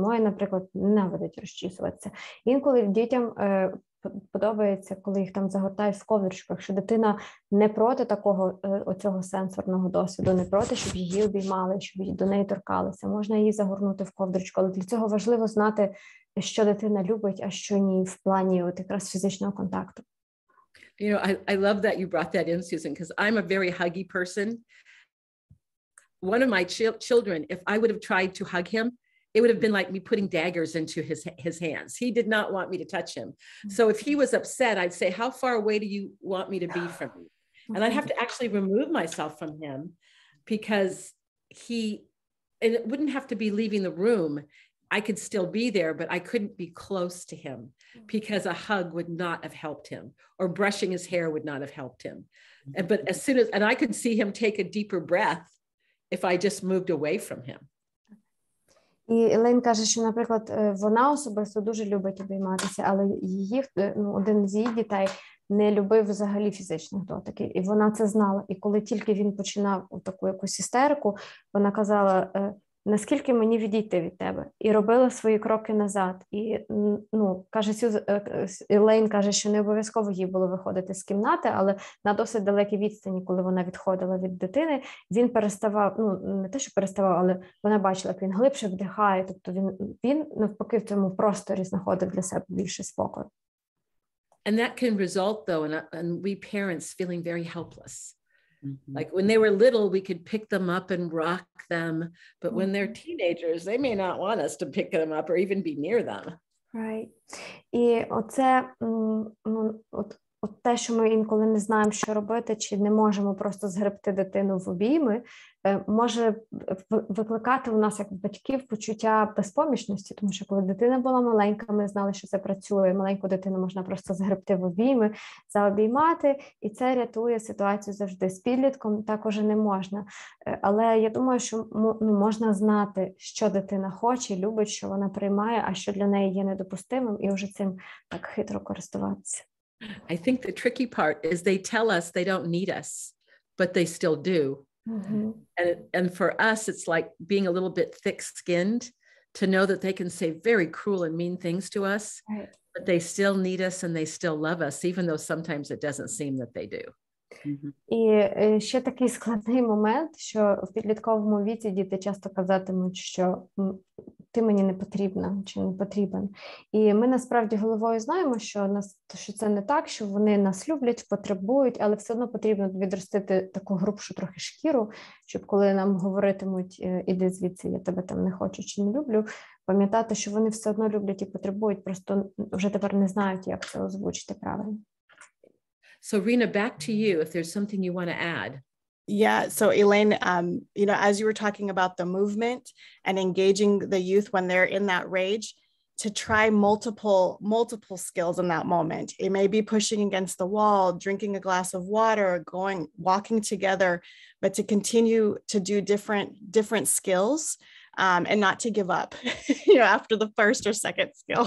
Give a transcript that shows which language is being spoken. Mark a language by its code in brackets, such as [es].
[uk] Моя, наприклад, ненавидить розчісуватися. Інколи дітям подобається, коли їх там загортають в ковдрочку. Якщо дитина не проти такого оцього сенсорного досвіду, не проти, щоб її обіймали, щоб до неї торкалися, можна її загорнути в ковдрочку. Але для цього важливо знати, що дитина любить, а що ні, в плані от якраз фізичного контакту. [en] You know, I love that you brought that in, Susan, because I'm a very huggy person. One of my children, if I would have tried to hug him, it would have been like me putting daggers into his hands. He did not want me to touch him. So if he was upset, I'd say, how far away do you want me to be from you? And I'd have to actually remove myself from him because he, and it wouldn't have to be leaving the room. I could still be there, but I couldn't be close to him because a hug would not have helped him or brushing his hair would not have helped him. And, but as soon as, and I could see him take a deeper breath if I just moved away from him. [uk] І Елен каже, що, наприклад, вона особисто дуже любить обійматися, але її, ну, один з її дітей не любив взагалі фізичних дотиків, і вона це знала. І коли тільки він починав таку якусь істерику, вона казала, наскільки мені відійти від тебе? І робила свої кроки назад. І, ну, каже, Елейн каже, що не обов'язково їй було виходити з кімнати, але на досить далекій відстані, коли вона відходила від дитини, він переставав, ну, не те, що переставав, але вона бачила, як він глибше вдихає. Тобто він навпаки, в цьому просторі знаходив для себе більше спокою. [en] And that can result, though, in we parents feeling very helpless. Mm-hmm. Like when they were little, we could pick them up and rock them. But when they're teenagers, they may not want us to pick them up or even be near them. Right. [uk] І оце, ну, от те, що ми інколи не знаємо, що робити, чи не можемо просто згребти дитину в обійми, може викликати у нас як батьків почуття безпомічності, тому що коли дитина була маленька, ми знали, що це працює. Маленьку дитину можна просто згребти в обійми, заобіймати, і це рятує ситуацію завжди. З підлітком так уже не можна. Але я думаю, що можна знати, що дитина хоче, любить, що вона приймає, а що для неї є недопустимим, і вже цим так хитро користуватися. [en] I think the tricky part is they tell us they don't need us, but they still do. Mm-hmm. And for us, it's like being a little bit thick-skinned to know that they can say very cruel and mean things to us, right, but they still need us and they still love us, even though sometimes it doesn't seem that they do. [uk] Mm-hmm. І ще такий складний момент, що в підлітковому віці діти часто казатимуть, що ти мені не потрібна чи не потрібен. І ми насправді головою знаємо, що це не так, що вони нас люблять, потребують, але все одно потрібно відростити таку грубшу трохи шкіру, щоб коли нам говоритимуть, іди звідси, я тебе там не хочу чи не люблю, пам'ятати, що вони все одно люблять і потребують, просто вже тепер не знають, як це озвучити правильно. [en] So Rena, back to you, if there's something you want to add. Yeah, so Elaine, you know, as you were talking about the movement and engaging the youth when they're in that rage, to try multiple skills in that moment. It may be pushing against the wall, drinking a glass of water, walking together, but to continue to do different skills and not to give up, you know, after the first or second skill.